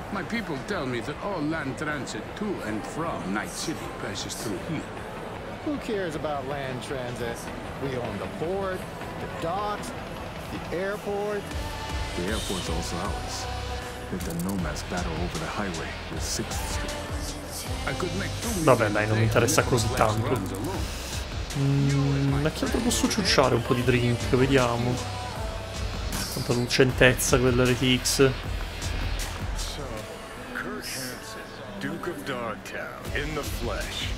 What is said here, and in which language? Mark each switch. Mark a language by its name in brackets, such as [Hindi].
[English] My people tell me that all land transit to and from Night City passes through here. Who cares about land transit? We own the port, the docks, the airport. The airport's also ours. If the nomads battle over the highway with 6th Street. I could make two. [Italian] Vabbè, dai, non mi interessa così tanto. Ma chi altro posso ciucciare un po' di drink? Vediamo. Quanta lucentezza quella RTX. [English] Patrick Hansen, Duke of Dogtown, in the flesh.